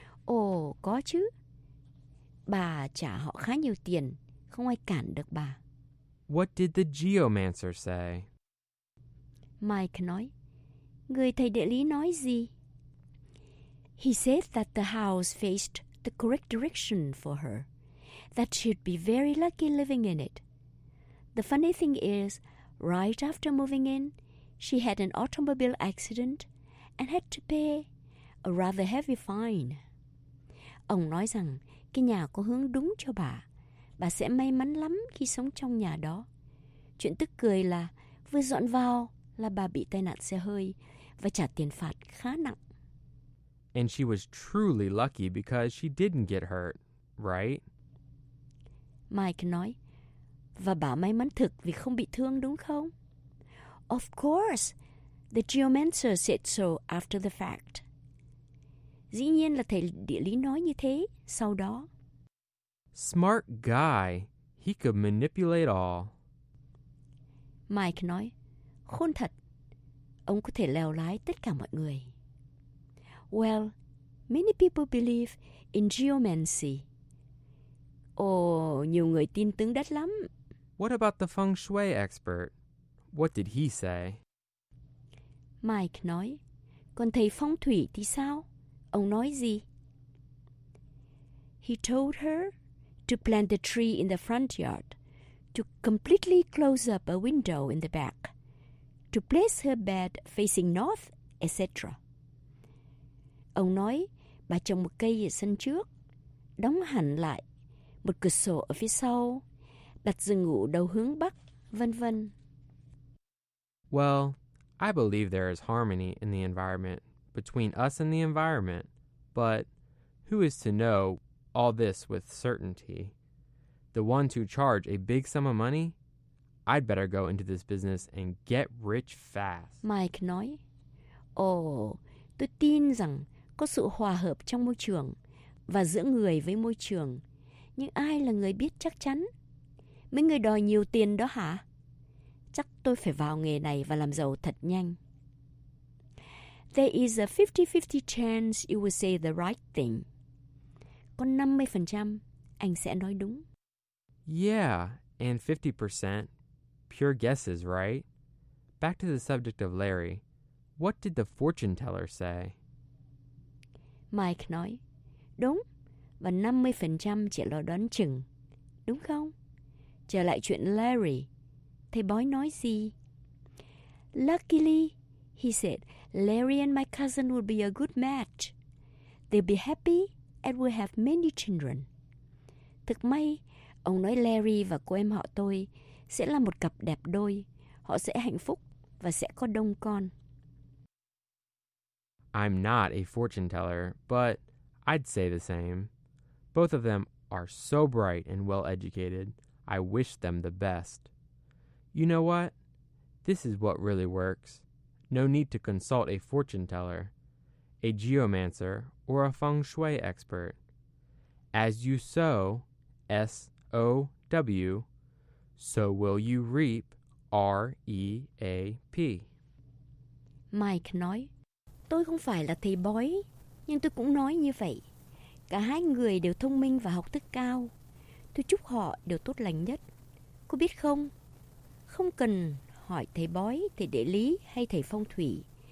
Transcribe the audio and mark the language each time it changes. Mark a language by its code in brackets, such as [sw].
[vi] Oh, có chứ. Bà trả họ khá nhiều tiền, không ai cản được bà. [en] What did the geomancer say? [vi] Mike nói, người thầy địa lý nói gì? [en] He said that the house faced the correct direction for her, that she'd be very lucky living in it. The funny thing is, right after moving in, she had an automobile accident and had to pay a rather heavy fine. [vi] Ông nói rằng cái nhà có hướng đúng cho bà. Bà sẽ may mắn lắm khi sống trong nhà đó. Chuyện tức cười là vừa dọn vào là bà bị tai nạn xe hơi và trả tiền phạt khá nặng. [en] And she was truly lucky because she didn't get hurt, right? [vi] Mike nói, và bà may mắn thực vì không bị thương đúng không? [en] Of course, the geomancer said so after the fact. [vi] Dĩ nhiên là thầy địa lý nói như thế sau đó. [en] Smart guy, he could manipulate all. [vi] Mike nói, khôn thật, ông có thể lèo lái tất cả mọi người. [en] Well, many people believe in geomancy. [vi] Nhiều người tin tướng đất lắm. [en] What about the feng shui expert? What did he say? [vi] Mike nói, còn thầy phong thủy thì sao? Ông nói gì? [en] He told her to plant the tree in the front yard, to completely close up a window in the back, to place her bed facing north, etc. [vi] Ông nói, bà trồng một cây ở sân trước, đóng hẳn lại, một cửa sổ ở phía sau, đặt giường ngủ đầu hướng bắc, vân vân. [en] Well, I believe there is harmony in the environment, between us and the environment, but who is to know all this with certainty? The one to charge a big sum of money? I'd better go into this business and get rich fast. [vi] Mike nói, tôi tin rằng có sự hòa hợp trong môi trường và giữa người với môi trường. Nhưng ai là người biết chắc chắn? Mấy người đòi nhiều tiền đó hả? Chắc tôi phải vào nghề này và làm giàu thật nhanh. [en] There is a 50-50 chance you will say the right thing. [vi] Có 50% anh sẽ nói đúng. [en] Yeah, and 50% pure guesses, right? Back to the subject of Larry. What did the fortune teller say? [vi] Mike nói, đúng, và 50% chỉ là đoán chừng, đúng không? Trở lại chuyện Larry, thầy bói nói gì? [en] Luckily, he said, Larry and my cousin will be a good match. They'll be happy and will have many children. [vi] Thực may, ông nói Larry và cô em họ tôi sẽ là một cặp đẹp đôi. Họ sẽ hạnh phúc và sẽ có đông con. [en] I'm not a fortune teller, but I'd say the same. Both of them are so bright and well-educated. I wish them the best. You know what? This is what really works. No need to consult a fortune teller, a geomancer, or a feng shui expert. As you sow, S-O-W, so will you reap, R-E-A-P. [vi] Mike nói, tôi không phải là thầy bói, nhưng tôi cũng nói như vậy. Cả hai người đều thông minh và học thức cao. Tôi chúc họ đều tốt lành nhất. Cô biết không? Không cần hỏi thầy bói, thầy địa lý hay thầy phong thủy.